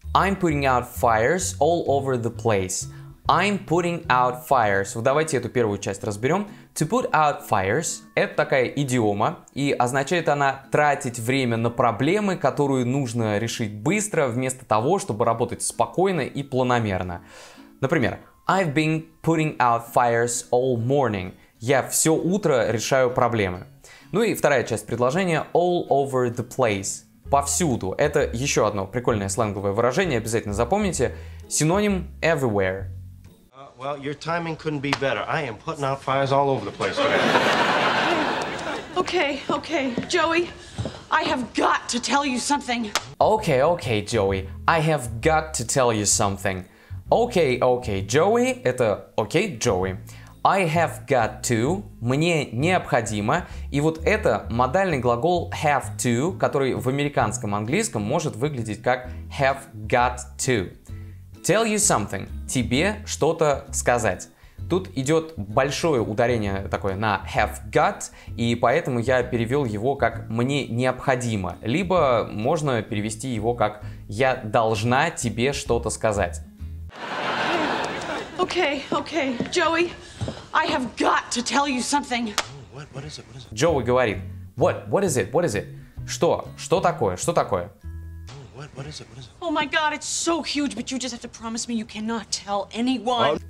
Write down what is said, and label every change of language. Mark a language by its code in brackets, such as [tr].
[en] I'm putting out fires all over the place. I'm putting out fires. [ru] Вот давайте эту первую часть разберем. [en] To put out fires [ru] – это такая идиома, и означает она тратить время на проблемы, которую нужно решить быстро, вместо того, чтобы работать спокойно и планомерно. Например, [en] I've been putting out fires all morning. [ru] Я все утро решаю проблемы. Ну и вторая часть предложения – [en] all over the place. [ru] Повсюду. Это еще одно прикольное сленговое выражение, обязательно запомните. Синоним – everywhere. [en] Well, your timing couldn't be better. I am putting out fires all over the place today. Okay, okay, Joey, I have got to tell you something. Okay, okay, Joey, I have got to tell you something. Okay, okay, Joey, это okay, Joey. I have got to, [ru] мне необходимо, и вот это модальный глагол [en] have to, [ru] который в американском английском может выглядеть как [en] have got to. Tell you something. [ru] Тебе что-то сказать. Тут идет большое ударение такое на have got, и поэтому я перевел его как мне необходимо. Либо можно перевести его как я должна тебе что-то сказать. [en] Okay, okay, Joey, I have got to tell you something. What is it? [ru] Joey говорит. [en] What is it? [ru] Что? Что такое? [en] What is it? Oh my god, it's so huge, but you just have to promise me you cannot tell anyone.